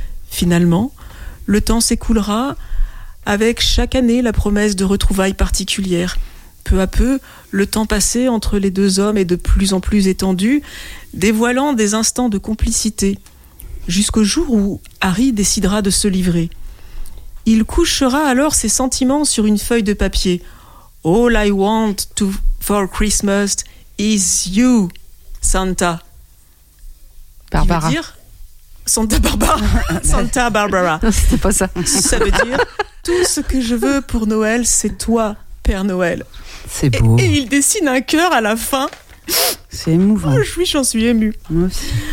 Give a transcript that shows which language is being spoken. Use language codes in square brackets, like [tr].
[fr] Finalement, le temps s'écoulera avec chaque année la promesse de retrouvailles particulières. Peu à peu, le temps passé entre les deux hommes est de plus en plus étendu, dévoilant des instants de complicité, jusqu'au jour où Harry décidera de se livrer. Il couchera alors ses sentiments sur une feuille de papier. [en] All I want to for Christmas is you, Santa. Barbara. [fr] Tu veux dire Santa Barbara. Santa Barbara. Non, c'était pas ça. Ça veut dire tout ce que je veux pour Noël, c'est toi, Père Noël. C'est beau. Et il dessine un cœur à la fin. C'est émouvant. Oui, j'en suis émue. Moi aussi.